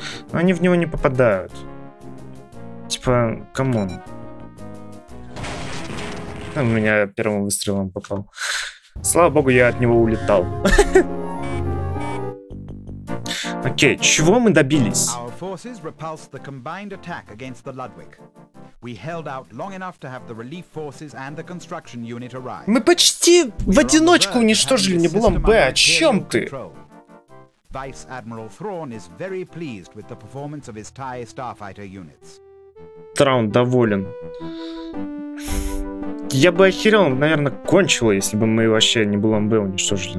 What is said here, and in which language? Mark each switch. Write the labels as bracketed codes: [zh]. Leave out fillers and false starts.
[ru] Они в него не попадают. Типа, камон. У меня первым выстрелом попал. Слава богу, я от него улетал. Окей, чего мы добились? [en] Forces repulsed the combined attack against the Ludwig. We held out long enough to have the relief forces and the construction unit arrive. [ru] Мы почти в одиночку уничтожили Небулон Б. О чем ты? [en] Vice Admiral Thrawn is very pleased with the performance of his TIE Starfighter units. [ru] Траун доволен. Я бы охерел, наверное, кончило, если бы мы вообще Небулон Б уничтожили.